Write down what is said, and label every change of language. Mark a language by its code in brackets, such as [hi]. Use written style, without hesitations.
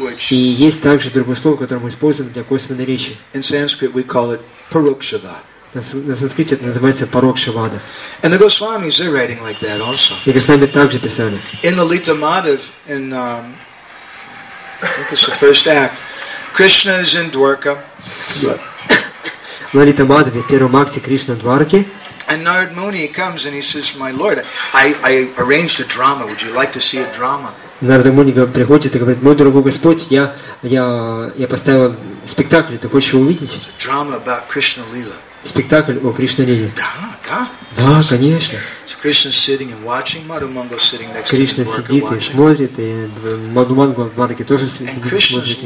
[ru] И есть также другое слово, которое мы используем для косвенной речи. [en] In Sanskrit we call it parokshavada. [ru] На санскрите это называется парокшавада. [en] And the Goswamis, they're writing like that also. [ru] И Госвами также писали. [en] In the Lita Madhav, in I think it's the first act, Krishna is in Dwarka. [ru] В Лита Мадхаве, в первом акте, Кришна в Дварке. [en] And Narad Muni comes and he says, "My Lord, I arranged a drama. Would you like to see a drama?" [ru] Нарада Муни приходит и говорит: "Мой дорогой Господь, я поставил спектакль. Ты хочешь его увидеть?" [en] A drama about Krishna Lila. [ru] Спектакль о Кришна Лиле. Да, да. Да, конечно. [en] So Krishna's sitting and watching. Madhu Mangala sitting next to [ru] Krishna сидит и смотрит, и Madhu Mangala в Марке тоже сидит и смотрит.